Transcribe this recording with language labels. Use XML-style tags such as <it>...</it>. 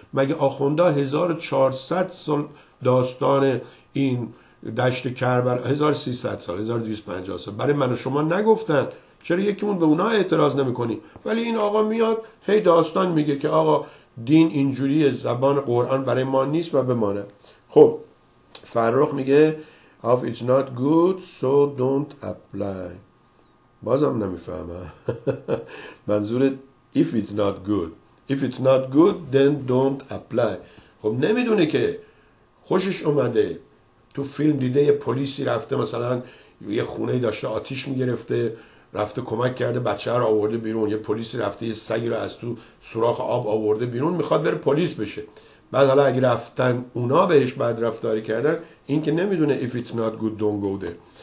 <fa>مگه آخوندا 1400 سال داستان این دشت کربلا، 1300 سال، 1250 سال برای من و شما نگفتن؟ چرا یکیمون به اونا اعتراض نمیکنیم؟ ولی این آقا میاد هی داستان میگه که آقا دین اینجوریه، زبان قرآن برای ما نیست و بمانه. خب فرخ میگه</fa> <en>of it's not good so don't apply.</en> <fa>بازم نمیفهمه منظور</fa> <en>if it's not good، if it's not good then don't apply.</en> <fa>خب نمیدونه که خوشش اومده، تو فیلم دیده یه پلیسی رفته مثلا یه خونه داشته آتیش میگرفته، رفته کمک کرده، بچه رو آورده بیرون، یه پلیسی رفته یه سگی رو از تو سوراخ آب آورده بیرون، میخواد بره پلیس بشه. بعد حالا اگه رفتن اونا بهش بد رفتاری کردن، این که نمیدونه</fa> <en>if it's not good don't go there.</en>